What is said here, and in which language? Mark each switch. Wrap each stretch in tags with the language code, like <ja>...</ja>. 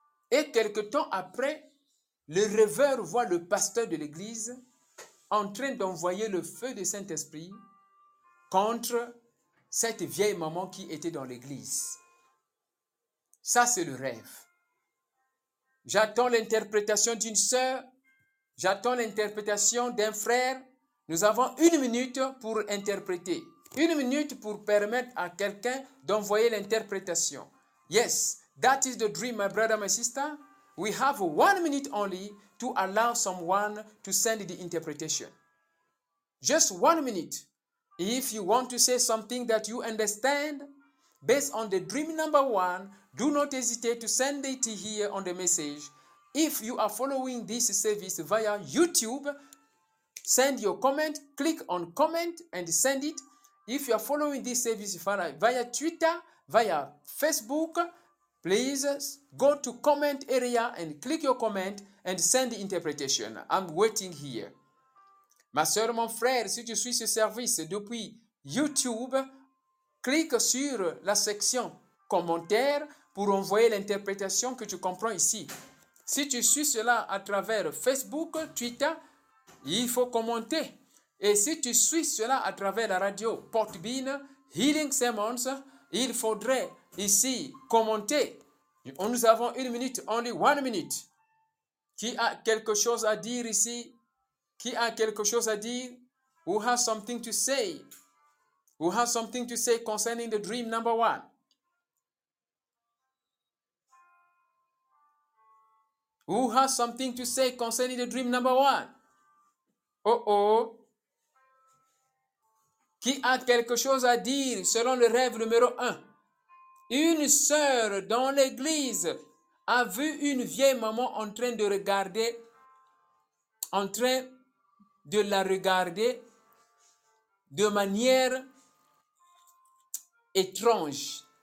<fr>Et quelque temps après, le rêveur voit le pasteur de l'église en train d'envoyer le feu du Saint-Esprit contre cette vieille maman qui était dans l'église. Ça, c'est le rêve. J'attends l'interprétation d'une sœur, j'attends l'interprétation d'un frère, Nous avons une minute pour interpréter. Une minute pour permettre à quelqu'un d'envoyer l'interprétation.</fr> <en>Yes, that is the dream, my brother, my sister. We have 1 minute only to allow someone to send the interpretation. Just 1 minute. If you want to say something that you understand, based on the dream number one, do not hesitate to send it here on the message. If you are following this service via YouTube, send your comment, click on comment and send it. If you are following this service via Twitter, via Facebook, please go to comment area and click your comment and send the interpretation. I'm waiting here.</en> <fr>Ma soeur, mon frère, si tu suis ce service depuis YouTube, clique sur la section commentaire pour envoyer l'interprétation que tu comprends ici. Si tu suis cela à travers Facebook, Twitter, il faut commenter. Et si tu suis cela à travers la radio Portbean, Healing Sermons, il faudrait ici commenter. Nous avons une minute,</fr> <en>only 1 minute.</en> <fr>Qui a quelque chose à dire ici? Qui a quelque chose à dire?</fr> <en>Who has something to say? Who has something to say concerning the dream number one? Who has something to say concerning the dream number one? Oh.</en> <fr>Qui a quelque chose à dire selon le rêve numéro un? Une sœur dans l'église a vu une vieille maman en train de regarder, en train de la regarder de manière étrange.</fr>